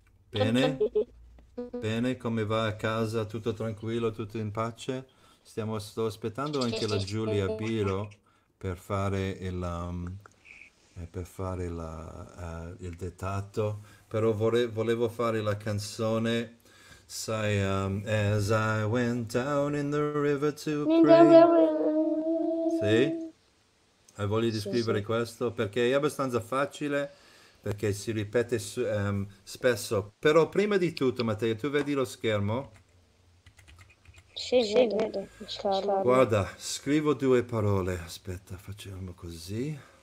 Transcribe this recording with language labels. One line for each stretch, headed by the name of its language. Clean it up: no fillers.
Italian: Bene? Bene, come va a casa? Tutto tranquillo, tutto in pace? Sto aspettando anche la Giulia Biro per fare il dettato, però volevo fare la canzone.
English: Sai, as I went down in the river to pray.
Italian: Sì? Hai voglia di scrivere questo? Perché è abbastanza facile, perché si ripete spesso. Però prima di tutto, Matteo, tu vedi lo schermo? Sì, vedo, scarlo. Guarda, scrivo due parole. Aspetta, facciamo così.